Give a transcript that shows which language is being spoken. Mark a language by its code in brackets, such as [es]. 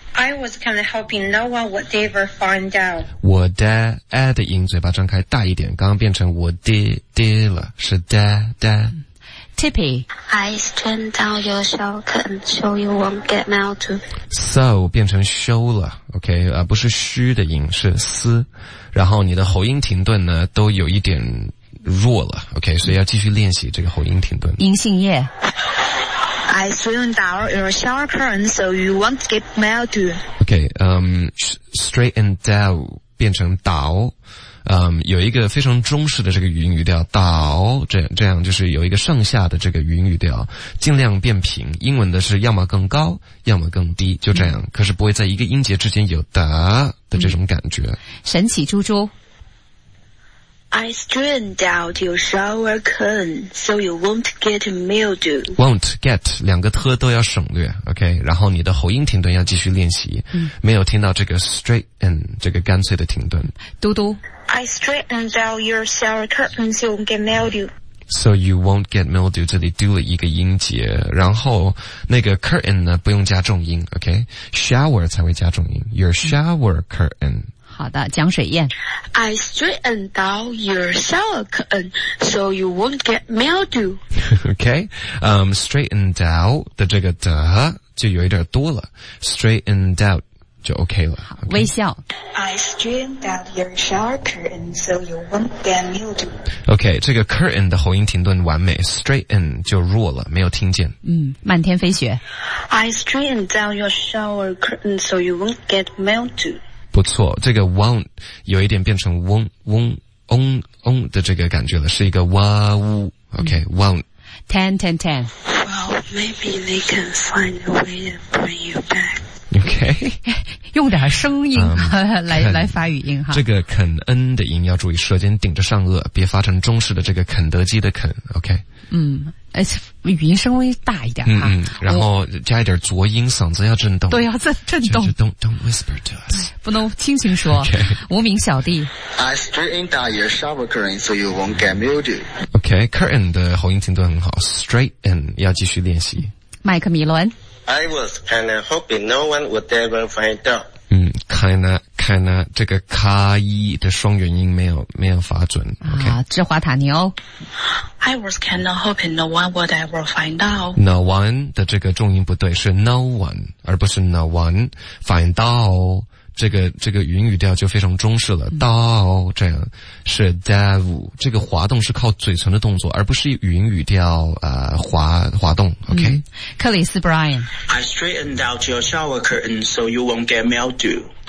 [en] I was kind of hoping no one would ever find out. Would I, [zh] 的音嘴巴张开大一点，刚刚变成 [en] would I, [zh] 了，是 da. Tippy. [en] I straightened out your shower curtain so you won't get mildew. [zh] So, 变成 show 了。OK, 不是虚的音，是思。然后你的喉音停顿呢都有一点弱了 ,OK, 所以要继续练习这个喉音停顿。银杏叶。 [en] I straightened out your shower curtain so you won't get mildew. OK, straightened out [zh] 变成倒有一个非常中式的这个语音语调，倒这样就是有一个上下的这个语音语调，尽量变平。英文的是要么更高，要么更低，就这样。可是不会在一个音节之间有的这种感觉。神奇猪猪 [en] ，I straightened out your shower curtain so you won't get mildew. Won't get [zh] 两个特都要省略 ，OK。然后你的喉音停顿要继续练习，没有听到这个 straighten 这个干脆的停顿。嘟嘟。 [en] I straightened out your shower curtain so you won't get mildew. So you won't get mildew. [zh] 这里丢了一个音节，然后那个 curtain 呢不用加重音 ，OK? [en] Shower [zh] 才会加重音。 [en] Your shower curtain. [zh] 好的，江水燕。 [en] I straightened out your shower curtain so you won't get mildew. [zh] OK? [en] Straightened out [zh] 的这个的就有一点多了。 [en] Straightened out. [zh] 就 [en] OK 了。 [zh] 好 okay. 微笑。 [en] I straightened out your shower curtain so you won't get mildew. [zh] OK, 这个 curtain 的喉音停顿完美， straighten 就弱了，没有听见。漫天飞雪。 [en] I straightened out your shower curtain so you won't get mildew. [zh] 不错，这个 [en] won't [zh] 有一点变成嗡嗡嗡嗡的这个感觉了，是一个哇呜。 [en] OK, won't. Ten, ten, ten. Well, maybe they can find a way to bring you back. Okay, [zh] 用点声音来发语音哈。这个肯恩的音要注意，舌尖顶着上颚，别发成中式的这个肯德基的肯。 OK。语音稍微大一点哈。然后加一点浊音，嗓子要震动。对，要震动。就是、 [en] don't whisper to us。 [zh] 不能轻轻说。 [en] Okay. [zh] 无名小弟。 [en] I straightened out your shower curtain so you won't get mildew. [zh] Okay, curtain 的喉音停顿很好 ，straighten 要继续练习。麦克米伦。 [en] I was kinda hoping no one would ever find out. Kinda [zh] 这个卡一的双元音没有发准。Okay. 啊，芝华塔尼欧。 [en] I was kinda hoping no one would ever find out. [zh] No one 的这个重音不对，是 [en] no one [zh] 而不是 [en] no one find out。 [zh] 这个语音语调就非常中式了，到这样是 dev 这个滑动是靠嘴唇的动作，而不是语音语调滑动。 [en] OK， [zh] 克里斯 Brian。 [en] I straightened out your shower curtain so you won't get mildew.